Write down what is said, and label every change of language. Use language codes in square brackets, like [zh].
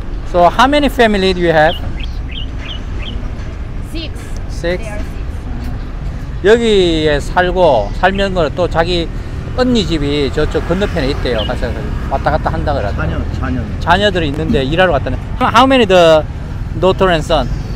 [en] So how many family do you have? Six. Six. They are six. [ko] 여기에 살고 살면 거 또 자기 언니 집이 저쪽 건너편에 있대요. 가서 왔다 갔다 한다 그러더라. 자녀. 자녀들이 있는데 일하러 갔다네. [en] How many the daughter and son?